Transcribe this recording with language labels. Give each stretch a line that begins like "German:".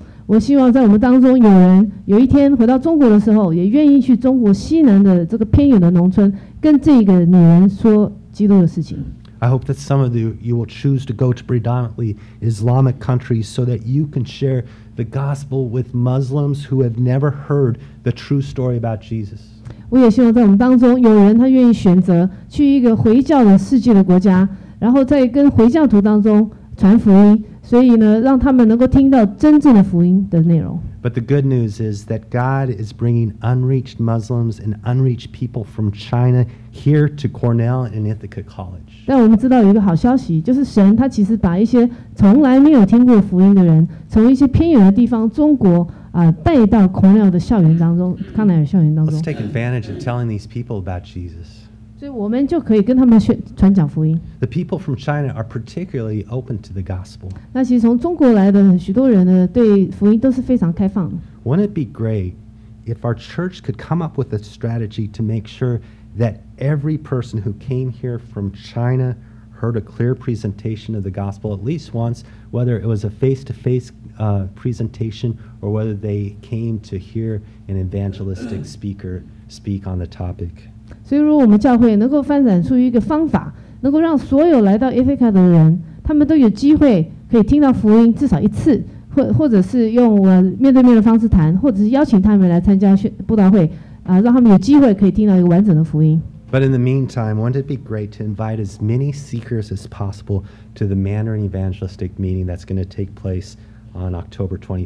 Chinese: 我希望在我们当中有人有一天回到中国的时候，也愿意去中国西南的这个偏远的农村，跟这个女人说基督的事情。
English: I hope that some of you will choose to go to predominantly Islamic countries so that you can share the gospel with Muslims who have never heard the true story about Jesus.
Chinese: 我也希望在我们当中有人他愿意选择去一个回教的世界的国家，然后在跟回教徒当中传福音，所以呢，让他们能够听到真正的福音的内容。
English: But the good news is that God is bringing unreached Muslims and unreached people from China here to Cornell and Ithaca College.
Chinese: 但我们知道有一个好消息，就是神他其实把一些从来没有听过福音的人，从一些偏远的地方，中国啊，带到 Cornell 的校园当中，康奈尔校园当中。
English: Let's take advantage of telling these people about Jesus.
Chinese: 所以我们就可以跟他们传讲福音。
English: The people from China are particularly open to the gospel.
Chinese: 那其实从中国来的许多人呢，对福音都是非常开放的。
English: Wouldn't it be great if our church could come up with a strategy to make sure that every person who came here from China heard a clear presentation of the gospel at least once, whether it was a face-to-face presentation or whether they came to hear an evangelistic speaker speak on the topic.
Chinese: 所以如果我们教会能够发展出一个方法，能够让所有来到 Ithaca 的人，他们都有机会可以听到福音至少一次，或者是用我面对面的方式谈，或者是邀请他们来参加布道会，让他们有机会可以听到一个完整的福音。
English: But in the meantime, wouldn't it be great to invite as many seekers as possible to the Mandarin Evangelistic meeting that's going to take place on October